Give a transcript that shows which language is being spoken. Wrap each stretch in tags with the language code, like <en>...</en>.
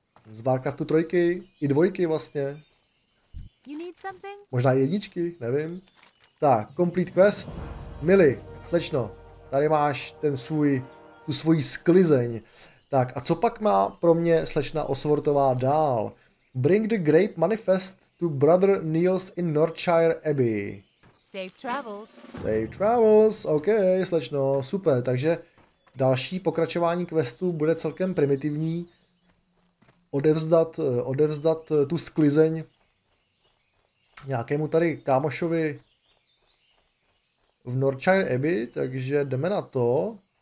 <cs>Z Warcraftu trojky, i dvojky vlastně.</cs> <en>You need something?</en> <cs>Možná i jedničky, nevím. Tak,</cs> <en>complete quest.</en> <cs>Mili, slečno, tady máš ten svůj, tu svoji sklizeň. Tak a co pak má pro mě slečna Osvortová dál?</cs> <en>Bring the grape manifest to brother Niels in Northshire Abbey. Safe travels. Safe travels, ok,</en> <cs>slečno, super. Takže další pokračování questu bude celkem primitivní. Odevzdat tu sklizeň nějakému tady kámošovi v Northshire Abbey, takže jdeme na to.</cs>